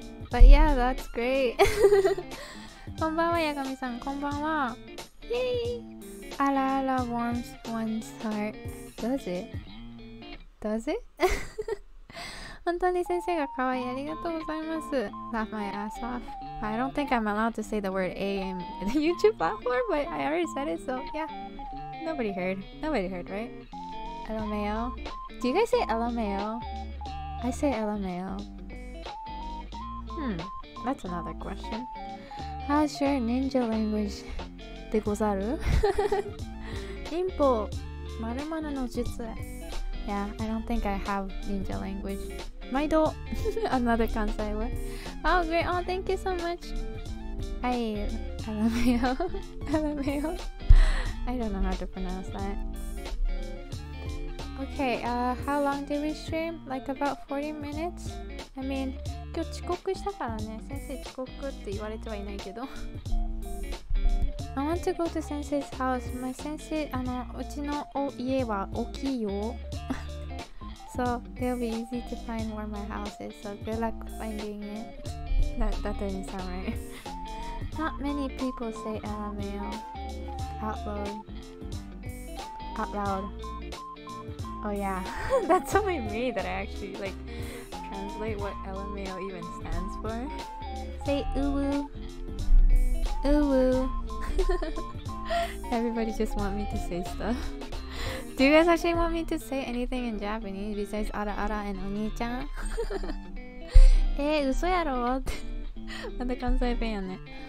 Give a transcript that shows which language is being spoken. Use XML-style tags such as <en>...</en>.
<en>But yeah, that's great.</en> <ja>こんばんは、やがみさん。</ja> <en>こんばんは。Yay! あらあら warms one's heart. Does it? Does it?</en> <ja>本当に先生がかわいい。ありがとうございます。</ja> <en>Laugh my ass off. I don't think I'm allowed to say the word A in the YouTube platform, but I already said it, so yeah. Nobody heard. Nobody heard, right? LMAO? Do you guys say LMAO? I say LMAO. That's another question. How's your ninja language? でござる?Ninpo!</en> <ja>Marumana no jutsu.</ja> <en>Yeah, I don't think I have ninja language. Maido! Another Kansai word. Oh, great! Oh, thank you so much! Hi! LMAO? LMAO? I don't know how to pronounce that. Okay, how long did we stream? Like about 40 minutes?</en> <ja>I mean, 今日遅刻したからね。先生遅刻って言われてはいないけど。</ja> <en>I want to go to 先生's house.</en> <ja>My 先生、あの、うちの家は大きいよ。</ja> <en>So, it'll be easy to find where my house is. So, good luck finding it. That didn't sound right. Not many people say LMAO. Out loud. Oh yeah, that's only me that I actually like translate what LMAO even stands for. Say uwu. Uwu. Everybody just want me to say stuff. Do you guys actually want me to say anything in Japanese besides ara ara and oni-chan?</en> <ja>嘘やろってまた関西弁やね。</ja>